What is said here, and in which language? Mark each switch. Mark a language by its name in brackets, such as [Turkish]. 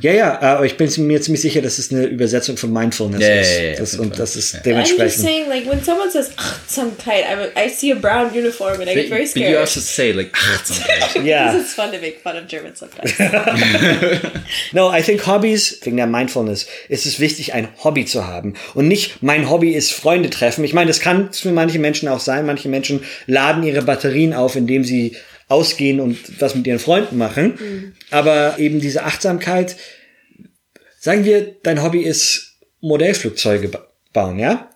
[German] Ja, ja, aber ich bin mir ziemlich sicher, dass es eine Übersetzung von Mindfulness ist. Ja, ja, ja. Und das ist dementsprechend. [English] I'm just saying, like, when someone says Achtsamkeit, I see a brown uniform and I get very scared. But you also say, like, Achtsamkeit. Yeah. Because it's fun to make fun of German sometimes. No, I think hobbies, [German] wegen der Mindfulness, ist es wichtig, ein Hobby zu haben. Und nicht, mein Hobby ist Freunde treffen. Ich meine, das kann für manche Menschen auch sein. Manche Menschen laden ihre Batterien auf, indem sie ausgehen und was mit ihren Freunden machen. Mhm. Aber eben diese Achtsamkeit. Sagen wir, dein Hobby ist Modellflugzeuge bauen, ja?